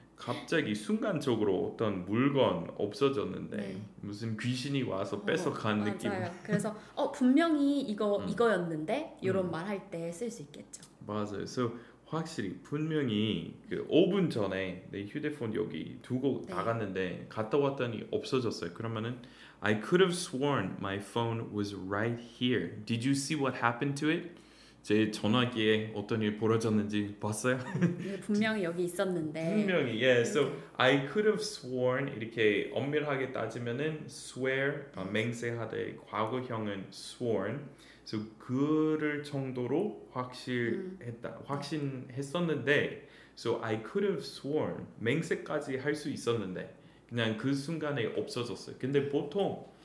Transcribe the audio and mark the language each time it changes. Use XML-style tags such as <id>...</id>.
<ko>갑자기 순간적으로 어떤 물건 없어졌는데 네. 무슨 귀신이 와서 뺏어간 느낌. 맞아요. 그래서 분명히 이거 이거였는데 이런 말 할 때 쓸 수 있겠죠. 맞아요. 그래서 확실히 분명히 그 5분 전에 내 휴대폰 여기 두고 네. 나갔는데 갔다 왔더니 없어졌어요. 그러면은</ko> <en>I could have sworn my phone was right here. Did you see what happened to it?</en> <ko>제 전화기에 어떤 일 벌어졌는지 봤어요? 분명히 여기 있었는데 분명히,</ko> <en>yeah. So I could have sworn</en> <ko>이렇게 엄밀하게 따지면은 swear, 맹세하되 과거형은 sworn so 그럴 정도로 확실했다 확신했었는데 so I could have sworn 맹세까지 할 수 있었는데 그냥 그 순간에 없어졌어요 근데 보통</ko>